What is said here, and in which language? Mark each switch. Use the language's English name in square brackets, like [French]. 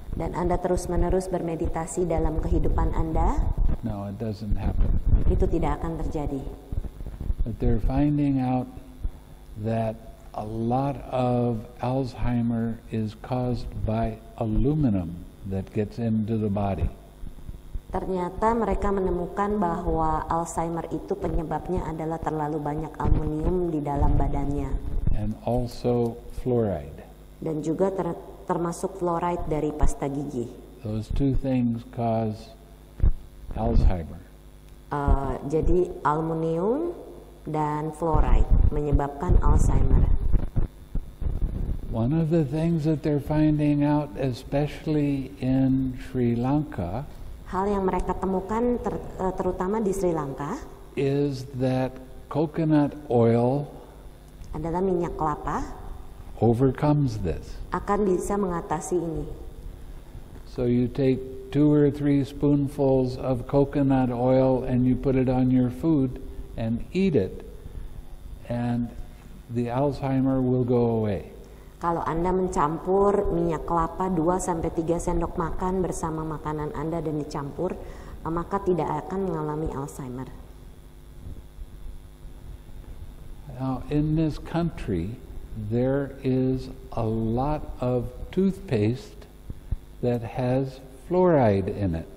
[Indonesian] dan Anda terus-menerus bermeditasi dalam kehidupan Anda, [English] no, it doesn't happen. [Indonesian] Itu tidak akan terjadi. [English] But they're finding out that a lot of Alzheimer is caused by aluminum that gets into the body. [Indonesian] Ternyata mereka menemukan bahwa Alzheimer itu penyebabnya adalah terlalu banyak aluminium di dalam badannya. [English] And also fluoride. [Indonesian] Dan juga termasuk fluoride dari pasta gigi. [English] Those two things cause Alzheimer. [Indonesian] Jadi aluminium dan fluoride menyebabkan Alzheimer. [English] One of the things that they're finding out, especially in Sri Lanka, [Indonesian] hal yang mereka temukan terutama di Sri Lanka, [English] is that coconut oil [Indonesian] adalah minyak kelapa [English] overcomes this. [Indonesian] Akan bisa mengatasi ini. [English] So you take 2 or 3 spoonfuls of coconut oil and you put it on your food and eat it, and the Alzheimer will go away. [Indonesian] Kalau Anda mencampur minyak kelapa 2-3 sendok makan bersama makanan Anda dan dicampur, maka tidak akan mengalami Alzheimer. [English] Now, in this country, there is a lot of toothpaste that has fluoride in it.